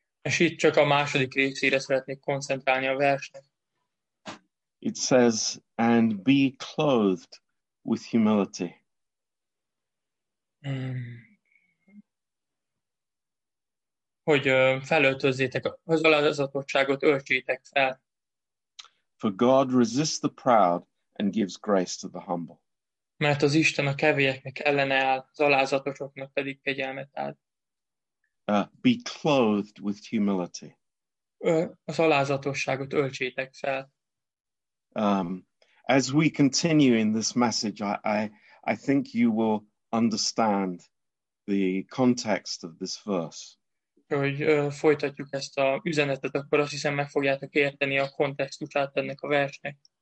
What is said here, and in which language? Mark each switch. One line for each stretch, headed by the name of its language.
Hungarian: És itt csak a második részére szeretnék koncentrálni a versnek.
English: It says, and be clothed with humility.
Hungarian: Hogy felöltözzétek az alázatosságot, öltsétek fel.
English: For God resists the proud and gives grace to the humble.
Hungarian: Mert az Isten a kevélyeknek ellene áll, az alázatosoknak pedig kegyelmet ad.
English: Be clothed with humility.
Hungarian: Az alázatosságot öltsétek fel.
English: As we continue in this message, I think you will understand the context of this verse.
Hungarian: Hogy folytatjuk ezt a üzenetet, akkor azt hiszem meg fogjátok érteni a kontextusát ennek a versnek.